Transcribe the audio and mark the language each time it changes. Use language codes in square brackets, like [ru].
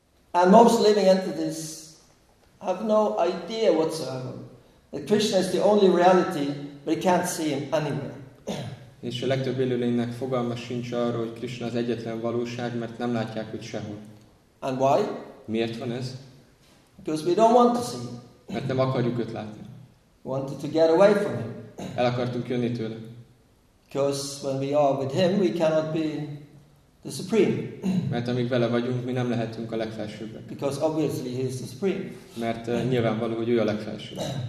[en] And most living entities have no idea whatsoever that Krishna is the only reality, but they can't see him anywhere. [hu] És a legtöbb élőlénynek fogalma sincs arról, hogy Krishna az egyetlen valóság, mert nem látják őt sehol. [en] And why? [hu] Miért van ez? [en] Because we don't want to see him. [hu] Mert nem akarjuk őt látni. [en] We wanted to get away from him. [hu] El akartunk jönni tőle. [en] Because when we are with him, we cannot be the supreme. [hu] Mert amíg vele vagyunk, mi nem lehetünk a legfelsőbbek. [en] Because obviously he is the supreme. [hu] Mert nyilvánvaló, hogy ő a legfelsőbb.